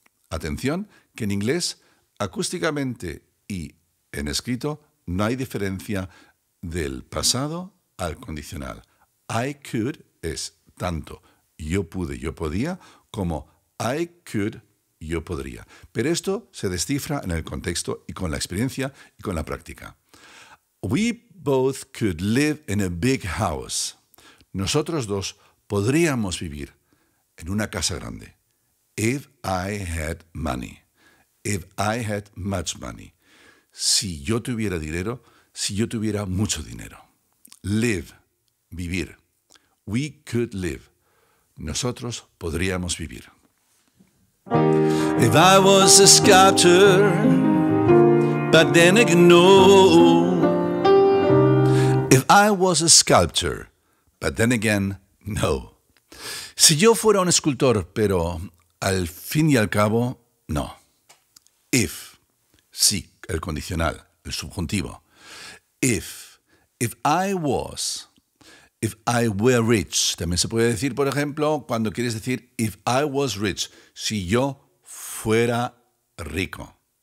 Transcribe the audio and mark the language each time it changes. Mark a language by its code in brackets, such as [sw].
[es] Atención, que en inglés, acústicamente y en escrito, no hay diferencia del pasado al condicional. [en] I could [es] es tanto yo pude, yo podía, como I could, yo podría. Pero esto se descifra en el contexto y con la experiencia y con la práctica. [en] We both could live in a big house. [es] Nosotros dos podríamos vivir en una casa grande. [en] If I had money. If I had much money. [es] Si yo tuviera dinero, si yo tuviera mucho dinero. [en] Live, [es] vivir. [en] We could live. [es] Nosotros podríamos vivir. [en] If I was a sculptor, but then if I was a sculptor, but then again, no. [es] Si yo fuera un escultor, pero al fin y al cabo, no. If, sí, el condicional, el subjuntivo. [en] If I was, if I were rich. [es] También se puede decir, por ejemplo, cuando quieres decir [en] if I was rich, [es] si yo fuera rico.